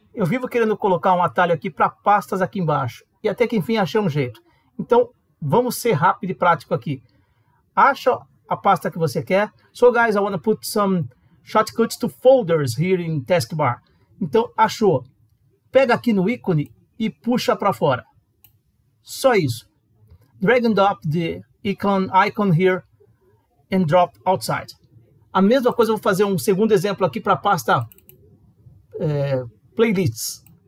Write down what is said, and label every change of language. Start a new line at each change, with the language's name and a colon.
Portuguese: Eu vivo querendo colocar um atalho aqui para pastas aqui embaixo e até que enfim achei um jeito. Então vamos ser rápido e prático aqui. Acha a pasta que você quer.
English: So guys, I want to put some shortcuts to folders here in Taskbar.
Portuguese: Então achou. Pega aqui no ícone e puxa para fora. Só isso.
English: Drag and drop the icon here and drop outside.
Portuguese: A mesma coisa, eu vou fazer um segundo exemplo aqui para a pasta playlists.